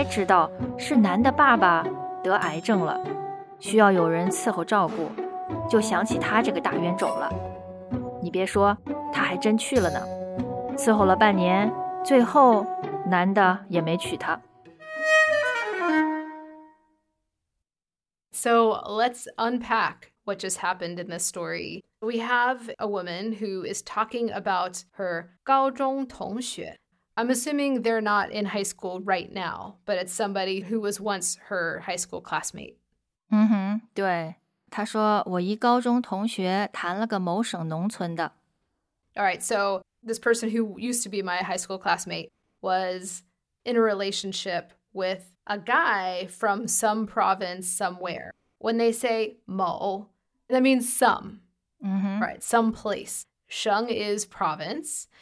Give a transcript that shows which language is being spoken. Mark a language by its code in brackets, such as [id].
[zh] ，一高中同学谈了个某省农村的，男的去他学校找他，一分钱没有，还得他出路费，再跟他要几块钱买饼吃，然后他全家嫌弃他是专科，配不上211的男的。后来某天，这男的突然跟我同学说想结婚，我同学还挺激动。后来知道是男的爸爸得癌症了。需要有人伺候照顾，就想起他这个大冤种了。你别说，他还真去了呢。伺候了半年，最后男的也没娶她。So [en] let's unpack what just happened in this story. We have a woman who is talking about her 高中同学. I'm assuming they're not in high school right now, but it's somebody who was once her high school classmate. [zh] 嗯哼，对。他说我一高中同学谈了个某省农村的。 [en] All right, so this person who used to be my high school classmate was in a relationship with a guy from some province somewhere. When they say 某, that means some,、 mm-hmm. right, some place. 省 is province.